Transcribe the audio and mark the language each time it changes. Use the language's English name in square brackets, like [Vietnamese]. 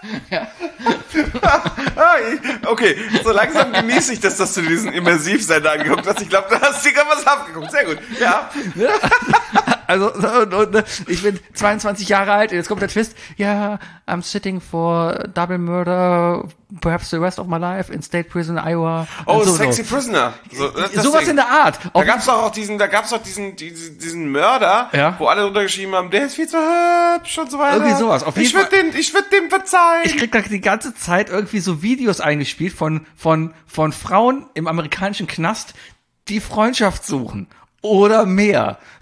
[German] Ja. Okay, so langsam genieße ich das, dass du diesen Immersivsender angeguckt hast. Ich glaube, du hast dir gerade was abgeguckt. Sehr gut, ja. Also und, ich bin 22 Jahre alt und jetzt kommt der Twist. [English] Ja, yeah, I'm sitting for double murder, perhaps the rest of my life in state prison, Iowa. Oh, so, sexy so. Prisoner. [German] So, sowas in der Art. Auch da gab's doch auch diesen, da gab's doch diesen Mörder, ja? Wo alle runtergeschrieben haben, der ist viel zu hübsch und so weiter. Irgendwie sowas. Auf jeden ich würde dem verzeihen. Ich krieg da die ganze Zeit irgendwie so Videos eingespielt von Frauen im amerikanischen Knast, die Freundschaft suchen. Oder mehr.